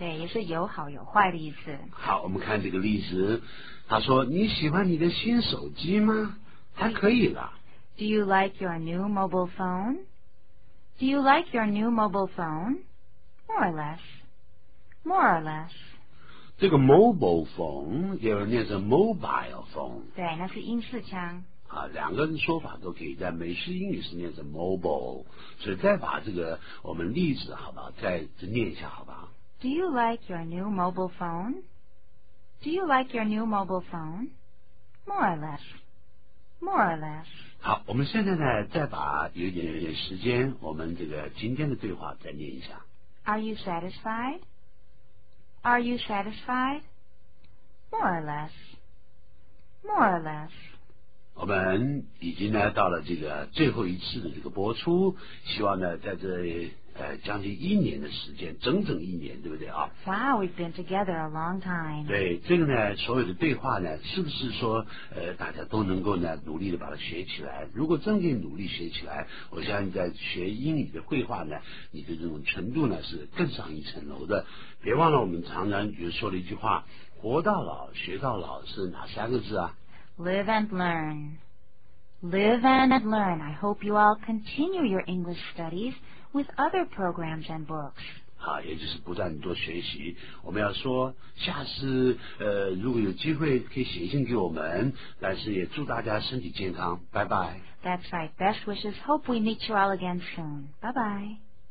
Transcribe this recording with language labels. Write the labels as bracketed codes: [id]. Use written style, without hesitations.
[zh] 对，也是有好有坏的意思。好，我们看这个例子，他说你喜欢你的新手机吗？还可以了。 [en] Do you like your new mobile phone? Do you like your new mobile phone? More or less. More or less. [zh] 这个 mobile phone 也有人念成 [en] mobile phone. [zh] 对，那是英式腔。啊，两个人说法都可以，在美式英语是念成 mobile. 所以再把这个我们例子好不好，再念一下好不好？ [en] Do you like your new mobile phone? Do you like your new mobile phone? More or less. More or less. [zh] 好，我们现在呢再把有点时间，我们这个今天的对话再念一下。 [en] Are you satisfied? Are you satisfied? More or less. More or less. [zh] 我们已经呢到了这个最后一次的这个播出，希望呢在这将近一年的时间，整整一年，对不对啊？ [en] Wow, we've been together a long time. [zh] 对，这个呢，所有的对话呢，是不是说大家都能够呢努力的把它学起来？如果真的努力学起来，我相信在学英语的绘画呢，你的这种程度呢是更上一层楼的。别忘了我们常常就说了一句话，活到老学到老是哪三个字啊？ [en] Live and learn. Live and learn. I hope you all continue your English studies. With other programs and books. [zh] 好，也就是不断多学习。我们要说，下次如果有机会可以写信给我们，但是也祝大家身体健康。拜拜。 [en] That's right. Best wishes. Hope we meet you all again soon. Bye bye.